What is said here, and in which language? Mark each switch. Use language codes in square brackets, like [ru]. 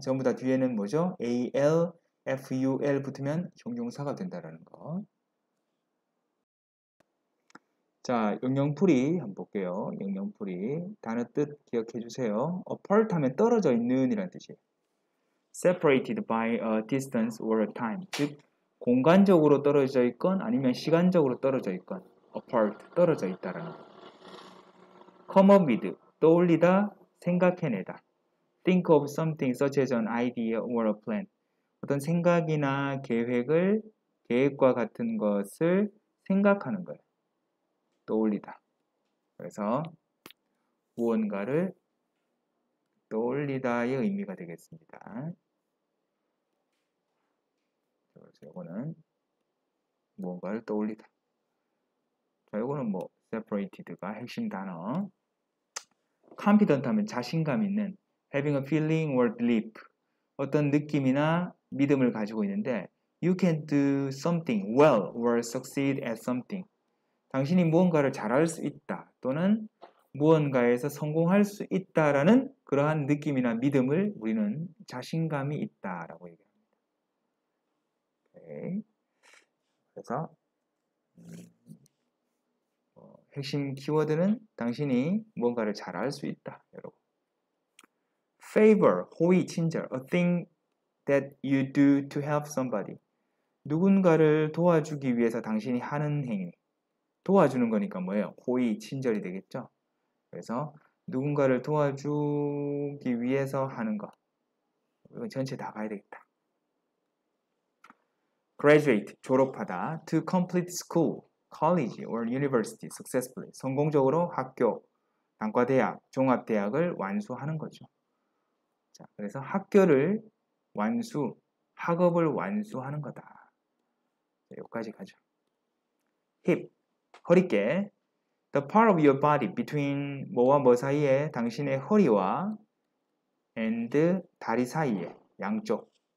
[ko] 전부 다 뒤에는 뭐죠? al, ful 붙으면 형용사가 된다라는 거. 자, 영영풀이 한번 볼게요. 영영풀이. 단어 뜻 기억해 주세요. apart 하면 떨어져 있는 이란 뜻이에요. [en] separated by a distance or a time. [ko] 즉, 공간적으로 떨어져 있건 아니면 시간적으로 떨어져 있건 apart, 떨어져 있다라는 거. [en] come up with, [ko] 떠올리다, 생각해내다. [en] think of something such as an idea or a plan. [ko] 어떤 생각이나 계획을, 계획과 같은 것을 생각하는 거예요. 떠올리다. 그래서 무언가를 떠올리다의 의미가 되겠습니다. 요거는 무언가를 떠올리다. 자, 요거는 뭐 separated가 핵심 단어. [en] confident [ko] 하면 자신감 있는, [en] having a feeling or belief. [ko] 어떤 느낌이나 믿음을 가지고 있는데, [en] you can do something well or succeed at something. [ko] 당신이 무언가를 잘할 수 있다 또는 무언가에서 성공할 수 있다라는 그러한 느낌이나 믿음을 우리는 자신감이 있다라고 얘기합니다. 그래서 핵심 키워드는 당신이 무언가를 잘할 수 있다, 여러분. [en] favor, [ko] 호의, 친절, [en] a thing that you do to help somebody. [ko] 누군가를 도와주기 위해서 당신이 하는 행위. 도와주는 거니까 뭐예요? 호의, 친절이 되겠죠? 그래서 누군가를 도와주기 위해서 하는 거. 이건 전체 다 봐야 되겠다. graduate, 졸업하다. [en] to complete school, college or university successfully. [ko] 성공적으로 학교, 단과대학, 종합대학을 완수하는 거죠. 자, 그래서 학교를 완수, 학업을 완수하는 거다. 여기까지 가죠. hip, 허리께. [en] the part of your body between [ko] 뭐와 뭐 사이에, 당신의 허리와 and 다리 사이에, 양쪽.